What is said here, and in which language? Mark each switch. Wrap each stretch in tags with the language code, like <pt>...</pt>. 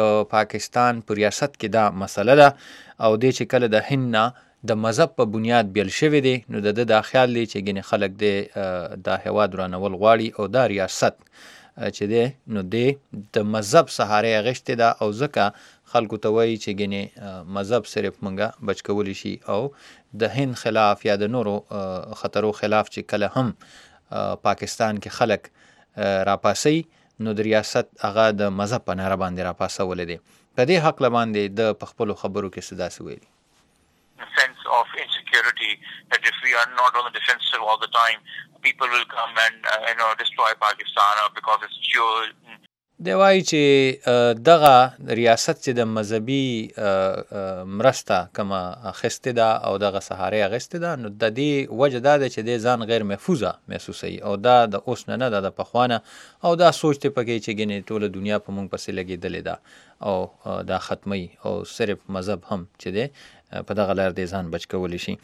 <ps>په پاکستان پر ریاست کې دا مسله ده او دې چې کله د هند نه د مذهب په بنیاد بیل شوی دی نو د ده دا خیال دی چې ګنې خلک دی دا هیواد رانول غواړي او دا ریاست چې دی نو دی د مذهب سهاره اغیشتې ده او ځکه خلکو ته وایي چې ګنې مذهب صرف مونږه بچ کولی شي او د هند خلاف یا د نورو خطرو خلاف چې کله هم پاکستان کې خلک راپاسي نو د ریاست هغه د مذهب په نره باندې راپاسولی دی. په دې حق باندې د پخپلو خبرو کې څه داسې ویلي؟</ps> <en>The sense of insecurity that if we are not on the defensive all the time, people will come and destroy Pakistan because it's chosen.</en> <ps>دی وای چې دغه ریاست چې د مذهبي مرسته کما اخیستې ده او دغه سهاره اخیستې ده نو د دې وجه دا ده چې دی ځان غیر محفوظه محسوسوي او دا د اوس نه ده د پخوانه او دا سوچ ته پکې چې ګنې ټول دنیا په مونږ پسې لګېدلې ده او دا ختمي او صرف مذهب هم چې دی په دغه لار دی ځان بچ کولی شي.</ps>